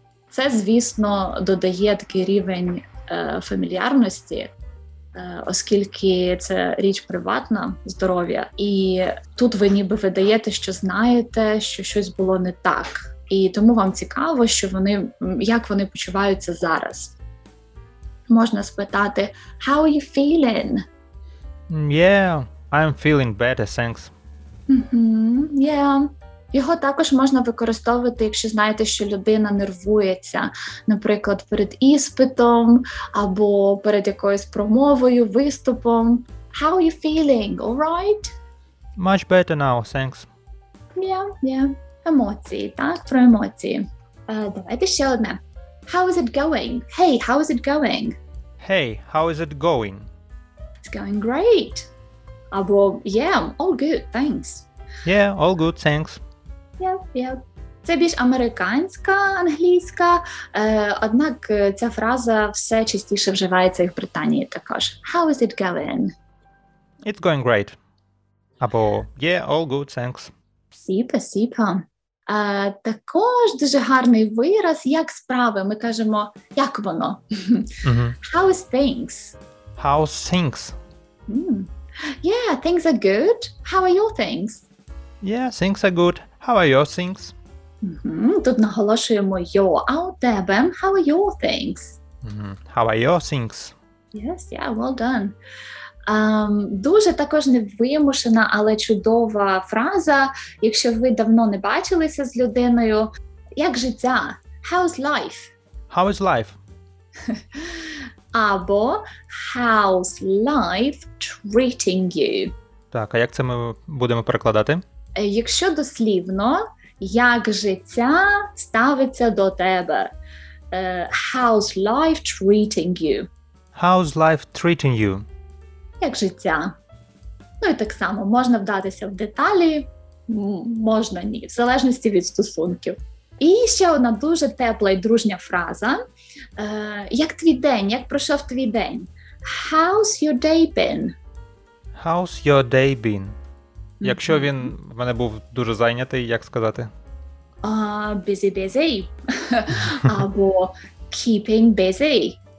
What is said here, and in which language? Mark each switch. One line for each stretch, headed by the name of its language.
Ukrainian: Це, звісно, додає такий рівень фамільярності, оскільки це річ приватна, здоров'я. І тут ви ніби видаєте, що знаєте, що щось було не так. І тому вам цікаво, що вони, як вони почуваються зараз. Можна спитати,
English: how are you feeling? Yeah, I'm feeling better, thanks. Yeah.
Ukrainian: Його також можна використовувати, якщо знаєте, що людина нервується, наприклад, перед іспитом або перед якоюсь промовою, виступом.
English: How are you feeling? All right? Much better now, thanks.
Ukrainian: Yeah. Емоції, так? Про емоції. Давайте ще одне.
English: How is it going? Hey, how is it going? Hey, how is it going? It's going great. Або, yeah, all good, thanks. Yeah, all good, thanks. Yeah.
Ukrainian: Це більш американська англійська, однак ця фраза все частіше вживається і в Британії також.
English: How is it going? It's going great. Або, yeah, all good, thanks. Сіпа.
Ukrainian: Також дуже гарний вираз, як справи. Ми кажемо, як воно.
English: How's things? How's things? Yeah, things are good. How are your things? Yeah, things are good. How are your things?
Ukrainian: Тут наголошуємо your. А у тебе?
English: How are your things? How are your things? Yes, well done.
Ukrainian: Дуже також невимушена, але чудова фраза, якщо ви давно не бачилися з людиною. Як життя?
English: How's life? How is life? Або how's life treating you?
Ukrainian: Так, а як це ми будемо перекладати? Якщо дослівно, як життя ставиться до тебе?
English: How's life treating you? How's life treating you?
Ukrainian: Як життя. Ну і так само, можна вдатися в деталі, можна ні, в залежності від стосунків. І ще одна дуже тепла і дружня фраза. Як твій день? Як пройшов твій день?
English: How's your day been? How's your day been?
Ukrainian: Якщо він в мене був дуже зайнятий, як сказати?
English: Busy. Або keeping busy.